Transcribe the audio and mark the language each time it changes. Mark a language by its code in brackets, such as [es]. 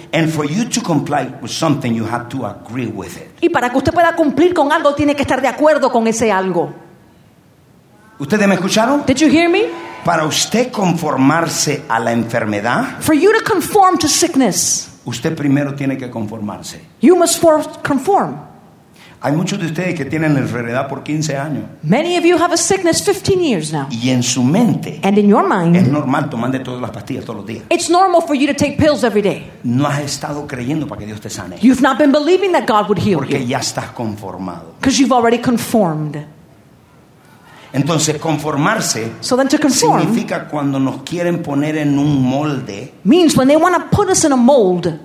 [en] And for you to comply with something, you have to agree with it. [es] Y para que usted pueda cumplir con algo, tiene que estar de acuerdo con ese algo. ¿Ustedes me escucharon? [en] Did you hear me? [es] Para usted conformarse a la enfermedad, [en] for you to conform to sickness, [es] usted primero tiene que conformarse. [en] You must first conform. [es] Hay muchos de ustedes que tienen la enfermedad por 15 años. [en] Many of you have a sickness 15 years now. [es] Y en su mente. [en] And in your mind. [es] Es normal tomar de todas las pastillas todos los días. [en] It's normal for you to take pills every day. [es] No has estado creyendo para que Dios te sane. [en] You've not been believing that God would heal [es] porque [en] you. [es] Porque ya estás conformado. [en] Because you've already conformed. [es] Entonces conformarse, [en] so then to conform, [es] significa cuando nos quieren poner en un molde, [en] means when they want to put us in a mold,